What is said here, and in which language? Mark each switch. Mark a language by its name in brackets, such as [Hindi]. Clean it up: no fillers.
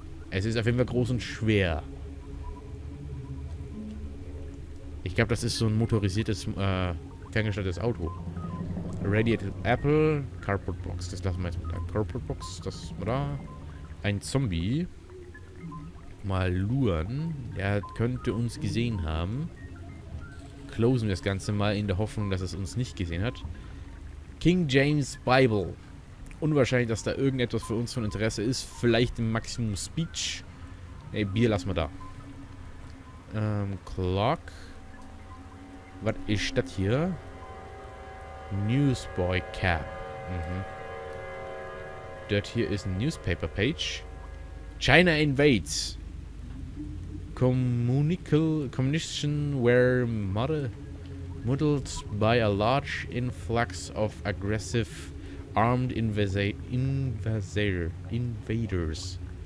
[German] Es ist auf jeden Fall groß und schwer. Ich glaube, das ist so ein motorisiertes, ferngesteuertes Auto. [English] Radiated Apple, Cardboard Box. [German] Das lassen wir jetzt mit der Cardboard Box. Das ist mal da. Ein Zombie. Mal luren. Der könnte uns gesehen haben. Closen wir das Ganze mal in der Hoffnung, dass es uns nicht gesehen hat. King James Bible. Unwahrscheinlich, dass da irgendetwas für uns von Interesse ist. Vielleicht im Maximum Speech. Ey, Bier lassen wir da. Clock. Was ist das hier? Newsboy Cap. Mhm. Das hier ist ein Newspaper Page. [English] China invades. Communication were muddled by a large influx of aggressive armed individuals.